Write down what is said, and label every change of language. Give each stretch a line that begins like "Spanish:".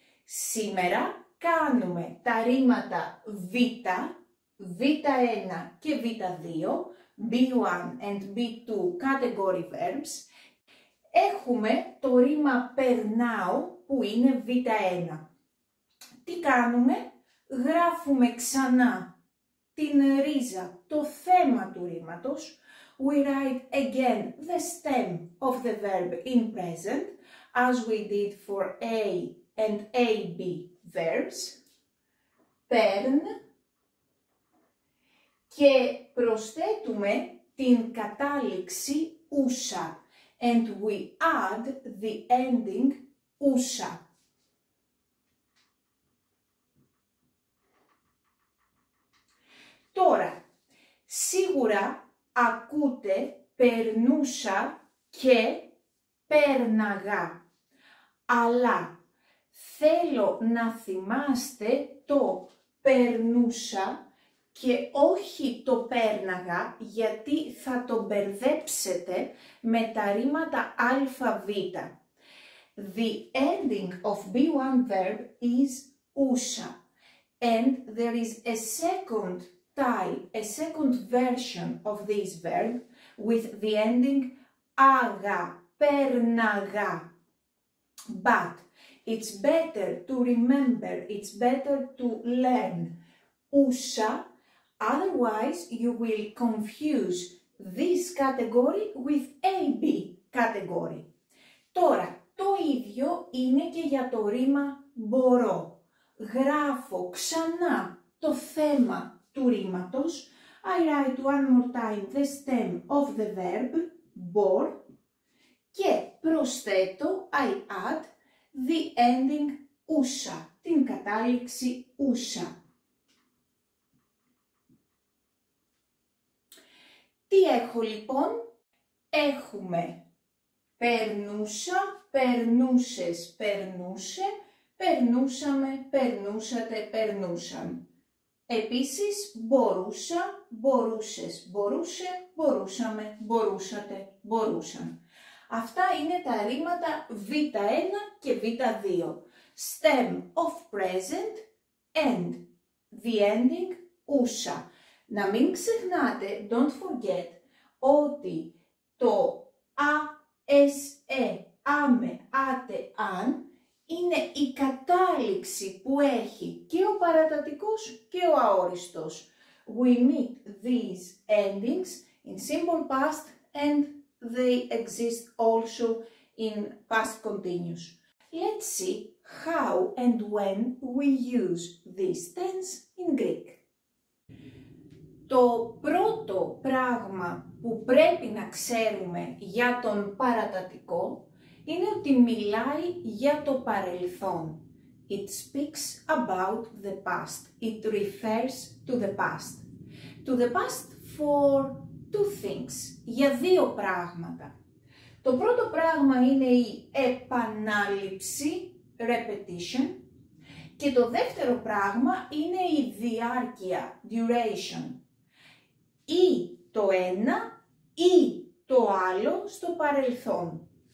Greek: Σήμερα κάνουμε τα ρήματα β, β1 και β2,
English: b1 and b2 category verbs.
Greek: Έχουμε το ρήμα περνάω που είναι β1. Τι κάνουμε, γράφουμε ξανά την ρίζα, το θέμα του ρήματος.
English: We write again the stem of the verb in present, as we did for A and AB verbs, pern,
Greek: και προσθέτουμε την κατάληξη ούσα,
English: and we add the ending ούσα.
Greek: Τώρα, σίγουρα ακούτε περνούσα και πέρναγα. Αλλά θέλω να θυμάστε το περνούσα και όχι το πέρναγα, γιατί θα το μπερδέψετε με τα ρήματα αβ.
English: The ending of B1 verb is ούσα. And there is a second type, a second version of this verb with the ending άγα, πέρναγα. But it's better to remember, it's better to learn ούσα, otherwise you will confuse this category with AB category.
Greek: Τώρα, το ίδιο είναι και για το ρήμα μπορώ. Γράφω ξανά το θέμα του ρήματος.
English: I write one more time the stem of the verb, μπορ,
Greek: και προσθέτω,
English: I add, the ending ούσα,
Greek: την κατάληξη ούσα. Τι έχω λοιπόν, έχουμε περνούσα, περνούσες, περνούσε, περνούσαμε, περνούσατε, περνούσαν. Επίσης, μπορούσα, μπορούσες, μπορούσε, μπορούσαμε, μπορούσατε, μπορούσαν. Αυτά είναι τα ρήματα β1 και β2.
English: Stem of present and the ending ούσα.
Greek: Να μην ξεχνάτε,
English: don't forget,
Greek: ότι το α, εσ, ε, άμε, άτε, αν είναι η κατάληξη που έχει και ο παρατατικός και ο αόριστος.
English: We meet these endings in simple past and they exist also in past continuous. Let's see how and when we use this tense in Greek.
Greek: Το πρώτο πράγμα που πρέπει να ξέρουμε για τον παρατατικό είναι ότι μιλάει για το παρελθόν.
English: It speaks about the past. It refers to the past. To the past for two things,
Greek: για δύο πράγματα. Το πρώτο πράγμα είναι η επανάληψη, repetition, και το δεύτερο πράγμα είναι η διάρκεια, duration. Ή το ένα ή το άλλο στο παρελθόν.